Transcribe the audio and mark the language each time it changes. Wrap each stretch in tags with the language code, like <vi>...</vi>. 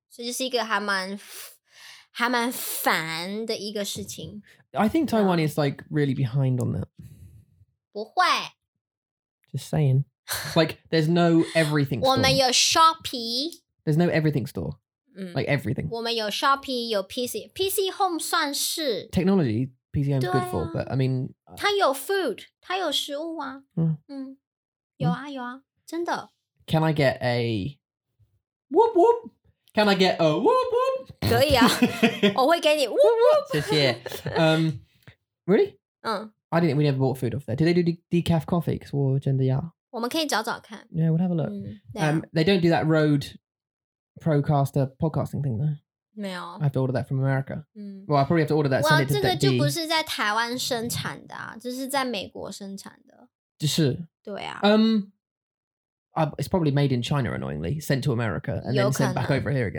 <zh>这就是一个还蛮烦的一个事情。</zh> <en>I think Taiwan is like really behind on that.</en> <zh>不会。</zh> <en>Just saying. Like there's no everything store.</en> <zh>我们有 Shopee.</zh> <en>There's no everything store. Like everything.</en> <zh>我们有 Shopee, 有 PC. PC Home 算是。</zh> <en>Technology, PC Home is good for, but I mean.</en> <zh>它有</zh> <en>food,</en> <zh>它有食物啊。有啊,真的。</zh> <en>Can I get a whoop whoop? Can I get a whoop whoop?</en> <zh>可以啊, 我会给你</zh> <en>whoop whoop.</en> <zh>谢谢.</zh> <en>Really? I didn't. We never bought food off there. Do they do decaf coffee? Because we're gender, yeah.</en> <zh>我们可以找找看.</zh> <en>Yeah, we'll have a look. They don't do that Rode Procaster podcasting thing though.</en> <zh>没有.</zh> <en>I have to order that from America. Well, I probably have to order that. Well,</en> <zh>这个就不是在台湾生产的啊，这是在美国生产的. 就是. 对啊.</zh> <en>It's probably made in China, annoyingly, sent to America, and then sent back over here again.</en>